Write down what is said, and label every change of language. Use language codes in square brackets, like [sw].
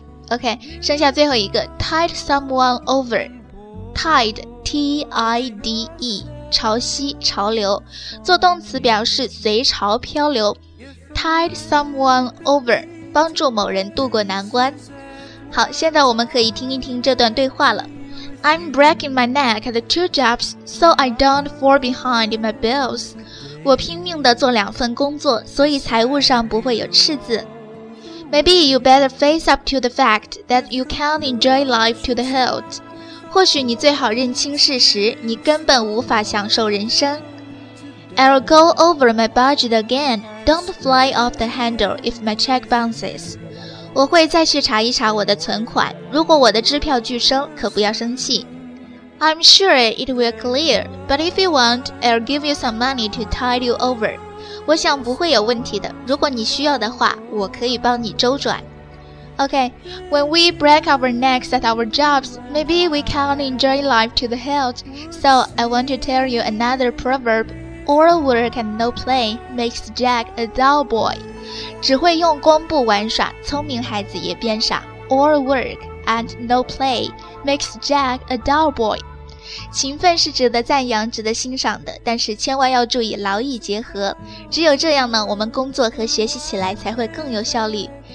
[zh] OK, 剩下最后一个 [en] tide someone over, [zh] tide, T-I-D-E, 潮汐、潮流，做动词表示随潮漂流， tide someone over, 帮助某人度过难关。好，现在我们可以听一听这段对话了。 [en] I'm breaking my neck at two jobs so I don't fall behind in my bills. [zh] 我拼命地做两份工作，所以财务上不会有赤字。 [en] Maybe you better face up to the fact that you can't enjoy life to the hilt. [zh] 或许你最好认清事实，你根本无法享受人生。 [en] I'll go over my budget again. Don't fly off the handle if my check bounces. [zh] 我会再去查一查我的存款，如果我的支票拒收，可不要生气。 [en] I'm sure it will clear, but if you want, I'll give you some money to tide you over. [zh] 我想不会有问题的，如果你需要的话，我可以帮你周转。 [en] OK, when we break our necks at our jobs, maybe we can't enjoy life to the hilt. So I want to tell you another proverb, all work and no play makes Jack a dull boy. [zh] 只会用功不玩耍，聪明孩子也变傻。 [en] All work and no playMakes Jack a dull boy. [zh] 勤奋是值得赞扬、值得欣赏的，但是千万要注意劳逸结合。只有这样呢，我们工作和学习起来才会更有效率。